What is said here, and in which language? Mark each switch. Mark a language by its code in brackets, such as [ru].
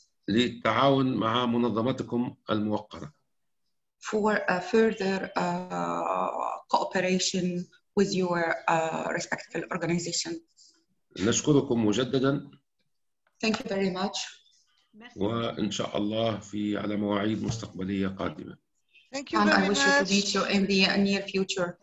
[ar] للتعاون مع منظماتكم الموقرة. [en] For a further cooperation with your respective organization. [ar] نشكركم مجددا. [en] Thank you very much. [ar] وإن شاء الله في على مواعيد مستقبلية قادمة. [en] Thank you very much. And I wish you to meet you in the near future.